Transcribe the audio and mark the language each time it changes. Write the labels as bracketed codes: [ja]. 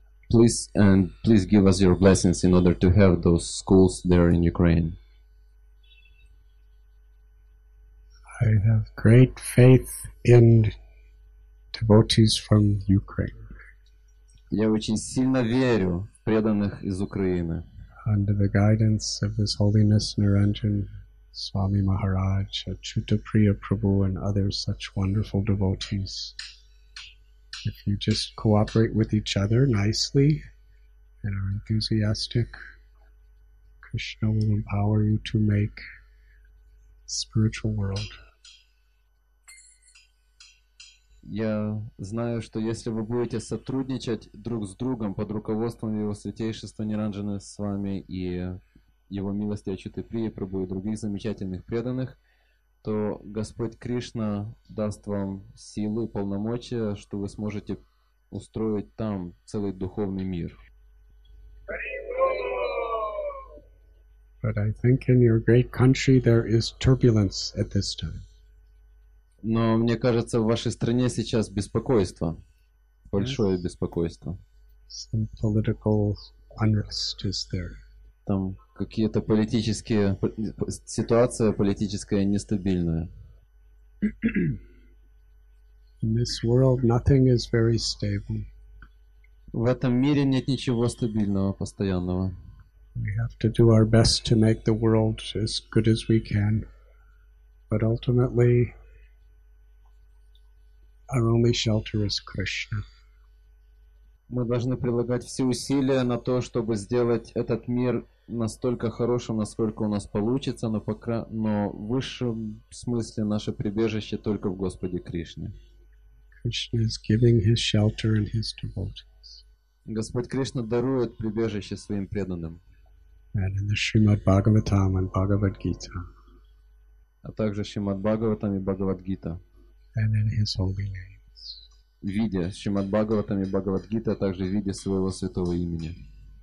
[en] Please give us your blessings in order to have those schools there in Ukraine. I have great faith in devotees from Ukraine. [ru] Я очень сильно верю в преданных из Украины. [en] Under the guidance of His Holiness Niranjan Swami Maharaj, Achyuta Priya Prabhu, and other such wonderful devotees, if you just cooperate with each other nicely and are enthusiastic, Krishna will empower you to make spiritual world. [ru] Я знаю, что если вы будете сотрудничать друг с другом под руководством Его Святейшества Ниранджаны с вами и Его милости Ачюты Прии Прабху и других замечательных преданных, то Господь Кришна даст вам силы и полномочия, что вы сможете устроить там целый духовный мир. [en] But I think in your great country there is turbulence at this time. [ru] Но мне кажется, в вашей стране сейчас беспокойство, большое беспокойство. [en] Some political unrest is there. [ru] Там какие-то политические ситуация политическая нестабильная. [en] In this world nothing is very stable. [ru] В этом мире нет ничего стабильного, постоянного. [en] We have to do our best to make the world as good as we can, but ultimately our only shelter is Krishna. [ru] Мы должны прилагать все усилия на то, чтобы сделать этот мир настолько хорошим, насколько у нас получится, но в высшем смысле наше прибежище только в Господе Кришне. [en] Krishna is giving his shelter and his devotees. [ru] Господь Кришна дарует прибежище своим преданным. [en] And in the Srimad Bhagavatam and Bhagavad Gita. [ru] А также Шримад Бхагаватам и Бхагавад Гита. [en] And in His holy names. [ru] В виде Шримад Бхагаватам и Бхагавад Гита, а также в виде своего святого имени.